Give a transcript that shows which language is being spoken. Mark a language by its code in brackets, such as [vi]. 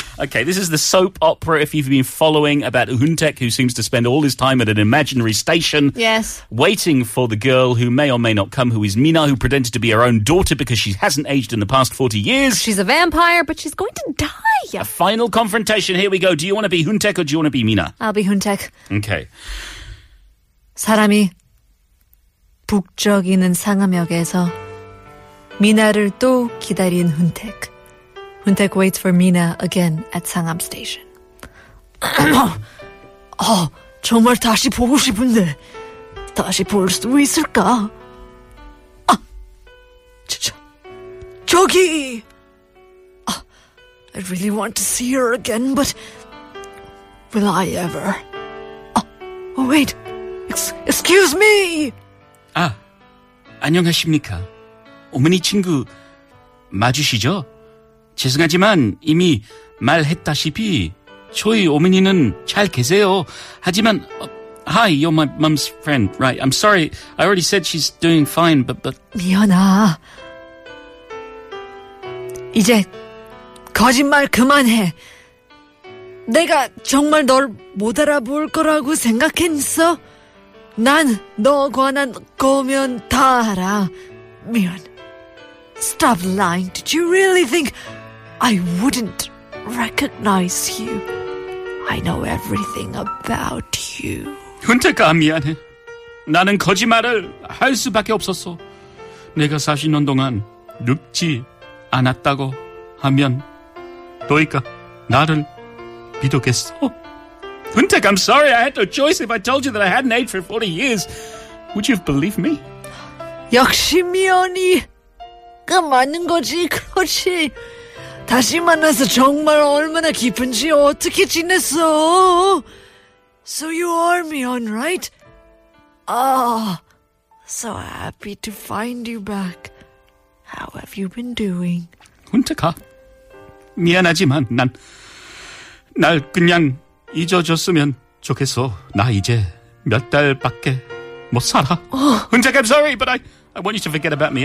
[en] Okay, this is the soap opera, if you've been following, about Hoontaek, who seems to spend all his time at an imaginary station. Yes. Waiting for the girl who may or may not come, who is Mina, who pretended to be her own daughter because she hasn't aged in the past 40 years. She's a vampire, but she's going to die. A final confrontation. Here we go. Do you want to be Hoontaek or do you want to be Mina? I'll be Hoontaek. Okay. [ko] 사람이 북적 있는 상암역에서 미나를 또 기다린 훈택. [en] 훈택 waits for Mina again at 상암 station. [ko] 정말 다시 보고 싶은데 다시 볼 수 있을까? 저기! [en] I really want to see her again, but will I ever? Wait! Excuse me! [ko] 아, 안녕하십니까? 어머니 친구 맞으시죠? 죄송하지만 이미 말했다시피 저희 어머니는 잘 계세요. 하지만, [en] hi, you're my mum's friend. Right, I'm sorry. I already said she's doing fine, but... [ko] 미연아, 이제 거짓말 그만해. 내가 정말 널 못 알아볼 거라고 생각했어? 난 너 관한 거면 다 알아. [en] 미연, stop lying. Did you really think I wouldn't recognize you? I know everything about you. [ko] 훈택아, 미안해. 나는 거짓말을 할 수밖에 없었어. 내가 사시는 동안 늙지 않았다고 하면 너희가 나를 믿겠어? [en] Hoontaek, I'm sorry. I had no choice. If I told you that I hadn't aged for 40 years, would you have believed me? [ko] 역시 미연이가 맞는 거지, 그렇지. 다시 만나서 정말 얼마나 기쁜지 어떻게 지냈어? [en] So you are Mion, right? So happy to find you back. How have you been doing? [ko] 훈트카. 미안하지만 난 날 그냥 잊어줬으면 좋겠어. 나 이제 몇 달밖에 못 살아. [en] 훈트카, I'm sorry, but I want you to forget about me.